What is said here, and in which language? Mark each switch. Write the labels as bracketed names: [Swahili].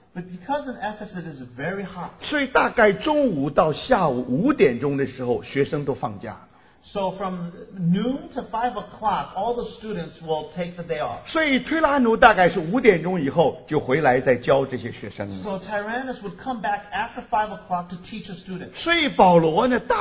[English] but because in Ephesus it is very hot, [Chinese] 所以大概中午到下午5点钟的时候学生都放假, [English] so from noon to 5 o'clock all the students will take the day off. [Chinese] 所以推拉奴大概是5点钟以后就回来再教这些学生, [English] so Tyrannus would come back after 5 o'clock to teach the students.